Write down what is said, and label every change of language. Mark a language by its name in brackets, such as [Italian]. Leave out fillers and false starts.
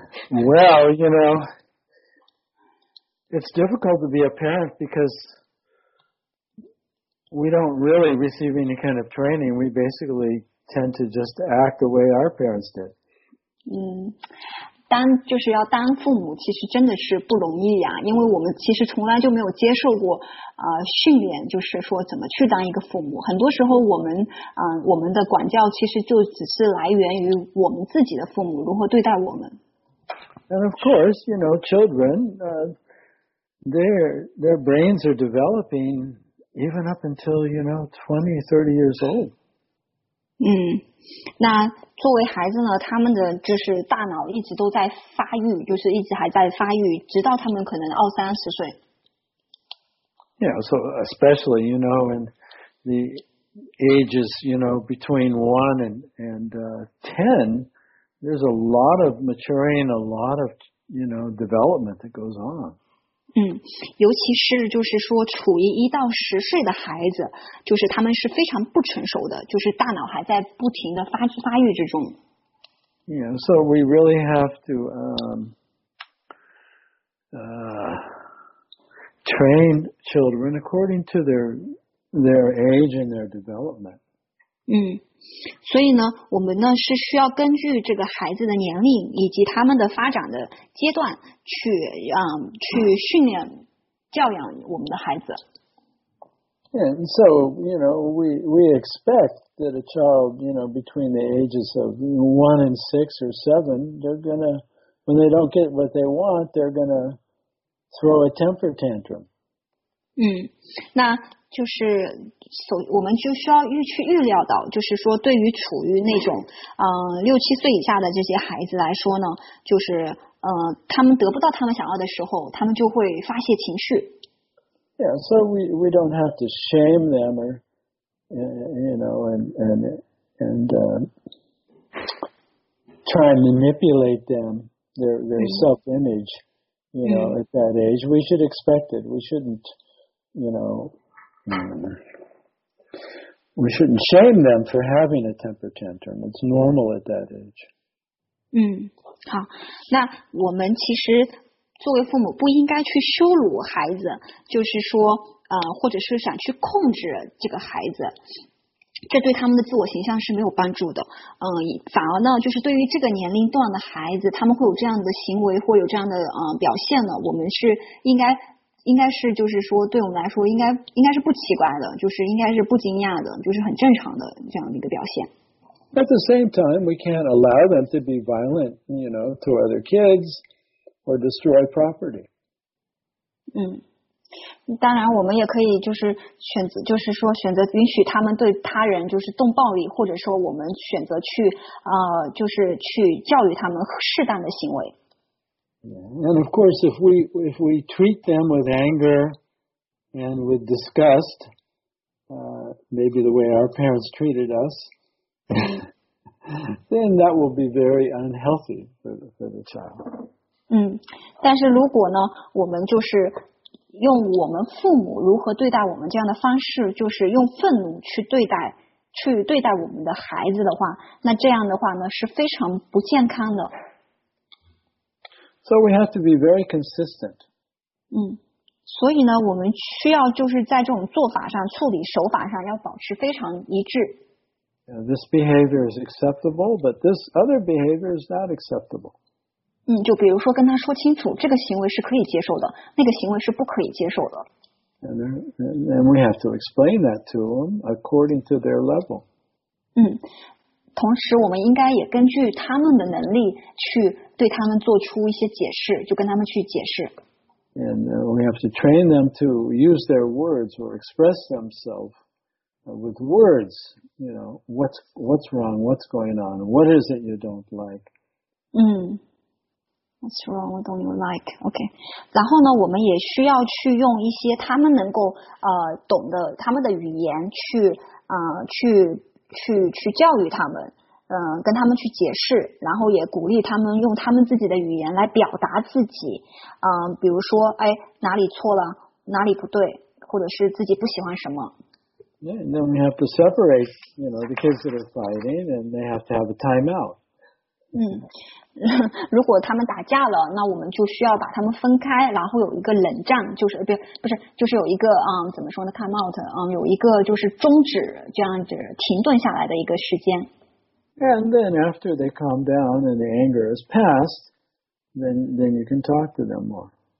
[English] Well, you know, it's difficult to be a parent because we don't really receive any kind of training. We basically tend to just act the way our parents did. [Chinese] 当就是要当父母其实真的是不容易呀，因为我们其实从来就没有接受过训练，就是说怎么去当一个父母。很多时候我们的管教其实就只是来源于我们自己的父母如何对待我们。 [English] And of course, you know, children, their brains are developing even up until, you know, 20, 30 years old. [Chinese] 那作为孩子呢，他们的就是大脑一直都在发育，就是一直还在发育，直到他们可能二三十岁。 [English] Yeah, so especially, you know, in the ages, you know, between 1 and 10, there's a lot of maturing, a lot of, you know, development that goes on. [Chinese] 尤其是就是说处于一到十岁的孩子，就是他们是非常不成熟的，就是大脑还在不停的发育之中。 [English] Yeah, so we really have to train children according to their age and their development. [Chinese] 所以呢，我们呢是需要根据这个孩子的年龄以及他们的发展的阶段去训练教养我们的孩子。 [English] And so, you know, we expect that a child, you know, between the ages of 1 and 6 or 7, they're gonna, when they don't get what they want, they're gonna throw a temper tantrum. [Chinese] 那就是我们就需要去预料到，就是说对于处于那种六七岁以下的这些孩子来说呢，就是他们得不到他们想要的时候，他们就会发泄情绪。 [English] Yeah, so we don't have to shame them or you know and try and manipulate them their self-image, you know, at that age. We should expect it. We shouldn't, you know, we shouldn't shame them for having a temper tantrum. It's normal at that age. [Chinese] 好，那我们其实作为父母不应该去羞辱孩子，就是说，或者是想去控制这个孩子，这对他们的自我形象是没有帮助的。反而呢，就是对于这个年龄段的孩子，他们会有这样的行为或有这样的表现呢，我们是应该是就是说，对我们来说应该是不奇怪的，就是应该是不惊讶的，就是很正常的这样的一个表现。 [English] At the same time, we can't allow them to be violent, you know, to other kids or destroy property. [Chinese] 当然我们也可以就是选择，就是说选择允许他们对他人就是动暴力，或者说我们选择去就是去教育他们适当的行为。 [English] And of course, if we treat them with anger and with disgust, maybe the way our parents treated us, then that will be very unhealthy for the child. [Chinese] 但是如果呢，我们就是用我们父母如何对待我们这样的方式，就是用愤怒去对待我们的孩子的话，那这样的话呢是非常不健康的。 [English] So we have to be very consistent. [Chinese] 所以呢，我们需要就是在这种做法上、处理手法上要保持非常一致。 [English] This behavior is acceptable, but this other behavior is not acceptable. [Chinese] 就比如说跟他说清楚，这个行为是可以接受的，那个行为是不可以接受的。 [English] And we have to explain that to them according to their level. [Chinese] 同时我们应该也根据他们的能力去对他们做出一些解释，就跟他们去解释。 [English] And we have to train them to use their words or express themselves. With words, you know, what's wrong, what's going on, what is it you don't like? What's wrong, what don't you like? Okay. [Chinese] 然后呢，我们也需要去用一些他们能够懂的他们的语言去教育他们，跟他们去解释，然后也鼓励他们用他们自己的语言来表达自己，比如说，哎，哪里错了，哪里不对，或者是自己不喜欢什么。 [English] Yeah, and then we have to separate, you know, the kids that are fighting, and they have to have a timeout. [Chinese] 如果他们打架了，那我们就需要把他们分开，然后有一个冷战，就是不是，就是有一个怎么说呢 ？ [English] Time out， [Chinese] 有一个就是终止，这样子停顿下来的一个时间。 [English] And then after they calm down and the anger is passed, then you can talk to them more.